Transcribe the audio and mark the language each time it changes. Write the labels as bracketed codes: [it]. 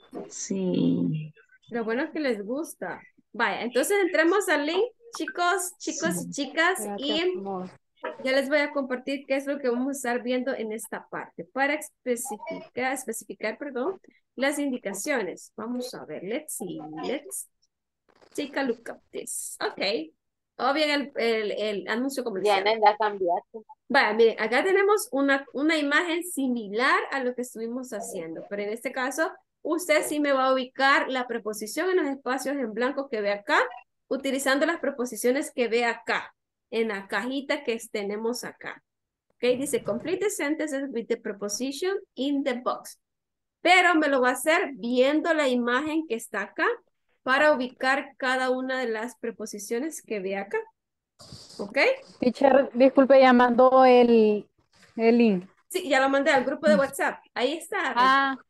[es] Sí. Lo bueno es que les gusta. Vaya, entonces entremos al link, chicos sí, y chicas, y ya les voy a compartir qué es lo que vamos a estar viendo en esta parte para especificar, las indicaciones. Vamos a ver, [en] let's take a look at this. [es] Ok, o bien el anuncio comercial. Ya, la cambiaste. Vaya, miren, acá tenemos una imagen similar a lo que estuvimos haciendo, pero en este caso... Usted sí me va a ubicar la preposición en los espacios en blanco que ve acá, utilizando las preposiciones que ve acá, en la cajita que tenemos acá. [en] Okay, dice, complete the sentences with the preposition in the box. [es] Pero me lo va a hacer viendo la imagen que está acá, para ubicar cada una de las preposiciones que ve acá. ¿Ok? Teacher, disculpe, ya mandó el link. Sí, ya lo mandé al grupo de WhatsApp. Ahí está. Ah,